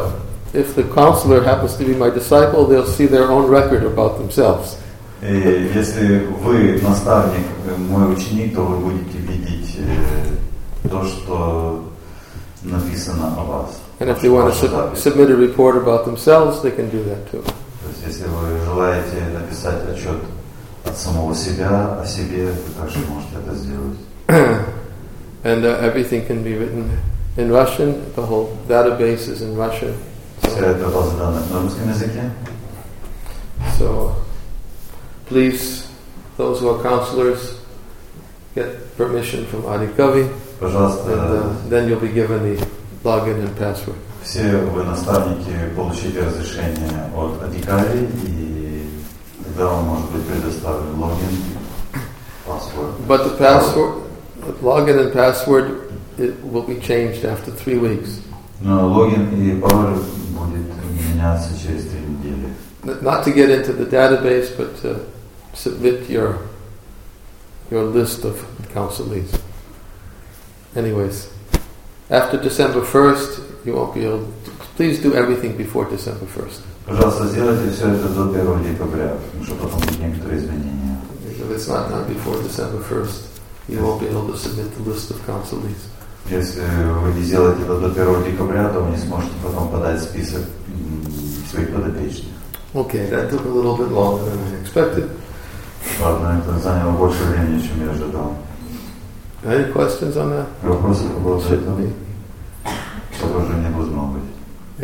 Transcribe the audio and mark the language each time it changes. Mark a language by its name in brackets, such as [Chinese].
[English] No, if the counselor happens to be my disciple, they'll see their own record about themselves. [Russian] Если вы наставник, мой ученик, то вы будете видеть то, что написано о вас. [English] And if they want to submit a report about themselves, they can do that too. [Russian] То есть, если вы желаете написать отчет от самого себя, о себе, вы также можете это сделать. [English] And everything can be written in Russian. The whole database is in Russian. [Russian] Вся эта база данных на русском языке. [English] So, please, those who are counselors, get permission from Adikavi. [Russian] Пожалуйста. [English] And, then you'll be given the login and password. [Russian] Все вы наставники получите разрешение от Adikavi, и тогда вам может быть предоставлен логин, паспорт. [English] But the password, the login and password, it will be changed after 3 weeks. [Russian] Но логин и пароль будет меняться через 3 недели. [English] Not to get into the database, but to submit your list of counselees. Anyways, after December 1st, you won't be able to. Please do everything before December 1st. [Russian] Пожалуйста, сделайте все это до 1 декабря, потому что потом будут некоторые изменения. [English] If it's not done before December 1st, you won't be able to submit the list of counselees. [Russian] Если вы не сделаете это до 1 декабря, то вы не сможете потом подать список своих подопечных. [English] Okay, that took a little bit longer than I expected. [Russian] Ладно, это заняло больше времени, чем я ожидал. [English] Any questions on that? [Russian] Вопросы по поводу этого? Чтобы уже не должно быть.